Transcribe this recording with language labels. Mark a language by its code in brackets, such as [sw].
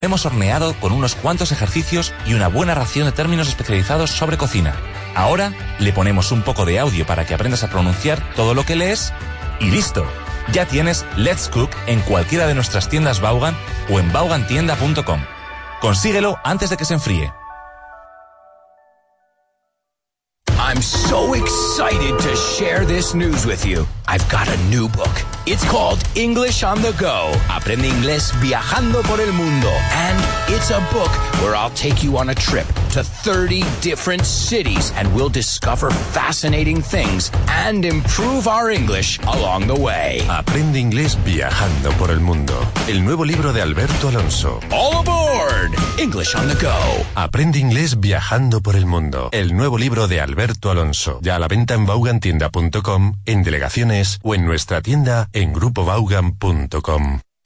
[es] Hemos horneado con unos cuantos ejercicios y una buena ración de términos especializados sobre cocina. Ahora le ponemos un poco de audio para que aprendas a pronunciar todo lo que lees y listo. Ya tienes Let's Cook en cualquiera de nuestras tiendas Vaughan o en vaughantienda.com. Consíguelo antes de que se enfríe. [en] I'm so excited to share this news with you. I've got a new book. It's called English on the Go. [es] Aprende inglés viajando por el mundo. [en] And it's a book where I'll take you on a trip to 30 different cities and we'll discover fascinating things and improve our English along the way. [es] Aprende inglés viajando por el mundo. El nuevo libro de Alberto Alonso. [en] All aboard! English on the Go. [es] Aprende inglés viajando por el mundo. El nuevo libro de Alberto Alonso. Ya a la venta en vaughantienda.com, en delegaciones o en nuestra tienda en grupovaughan.com.